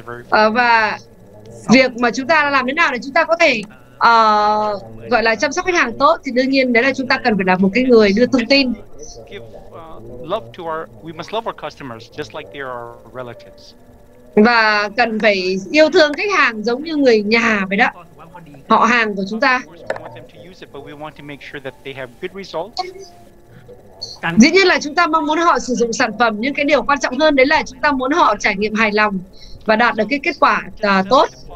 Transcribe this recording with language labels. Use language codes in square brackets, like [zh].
[vi] Và việc mà chúng ta làm thế nào để chúng ta có thể gọi là chăm sóc khách hàng tốt thì đương nhiên đấy là chúng ta cần phải là một cái người đưa thông tin. [en] Love to our, we must love our customers just like they are relatives. [vi] Và cần phải yêu thương khách hàng giống như người nhà vậy đó, họ hàng của chúng ta. [en] We want to make sure that they have good results. [vi] Dĩ nhiên là chúng ta mong muốn họ sử dụng sản phẩm, nhưng cái điều quan trọng hơn đấy là chúng ta muốn họ trải nghiệm hài lòng và đạt được cái kết quả tốt.